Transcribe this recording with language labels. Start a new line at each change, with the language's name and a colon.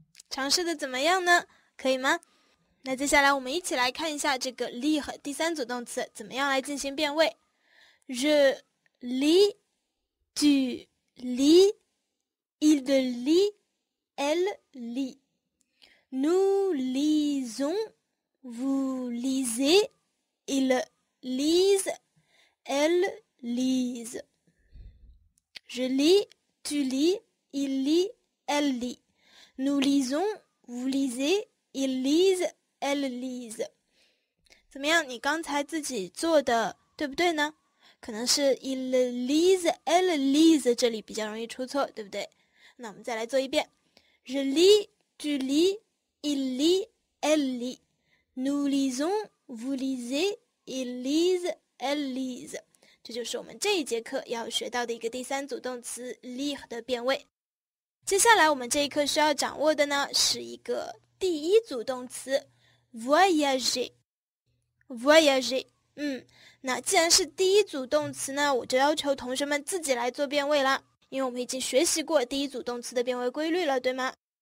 Chinese: 尝试的怎么样呢？可以吗？那接下来我们一起来看一下这个 li 和第三组动词怎么样来进行变位。
French: Je lis, tu lis, il lit, elle lit. Nous lisons, vous lisez, ils lisent, elles lisent. Je lis, tu lis, il lit, elle lit. Nous lisons, vous lisez, ils lisent, elles lisent.
Chinese: 怎么样？你刚才自己做的对不对呢？可能是
French: il lise, elle lise
Chinese: 这里比较容易出错，对不对？那我们再来做一遍。
French: Je lis, tu lis, il lit, elle lit. Nous lisons, vous lisez, il lise, elle lise.
Chinese: 这就是我们这一节课要学到的一个第三组动词 lire 的变位。接下来我们这一课需要掌握的呢，是一个第一组动词 voyager, voyager。那既然是第一组动词呢，我就要求同学们自己来做变位了，因为我们已经学习过第一组动词的变位规律了，对吗？